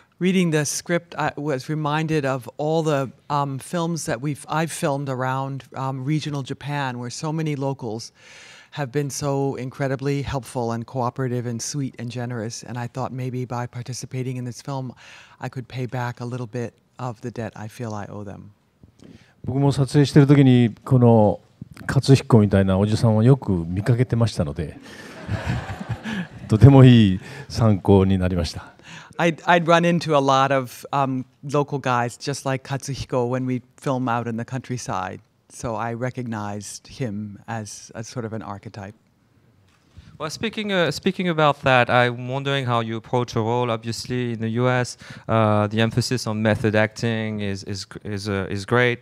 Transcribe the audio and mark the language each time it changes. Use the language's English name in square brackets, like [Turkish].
[English] Reading the script, I was reminded of all the films that I've filmed around regional Japan, where so many locals have been so incredibly helpful and cooperative and sweet and generous. And I thought maybe by participating in this film, I could pay back a little bit of the debt I feel I owe them. [Japanese] 僕も撮影している時にこの勝彦みたいなおじさんをよく見かけてましたので、とてもいい参考になりました。 [English] I'd run into a lot of local guys just like Katsuhiko when we film out in the countryside. So I recognized him as a sort of an archetype. Well, speaking about that, I'm wondering how you approach a role. Obviously, in the U.S., the emphasis on method acting is great.